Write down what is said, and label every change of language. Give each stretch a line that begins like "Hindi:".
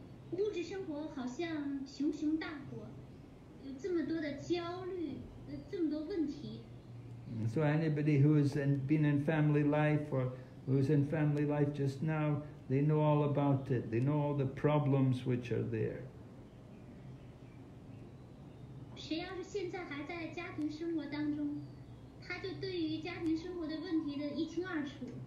Chinese: 物质生活好像熊熊大火，有这么多的焦虑，这么多问题。
English: So anybody who has been in family life or who's in family life just now, they know all about it. They know all the problems which are there.
Chinese: 谁要是现在还在家庭生活当中，他就对于家庭生活的问题的一清二楚。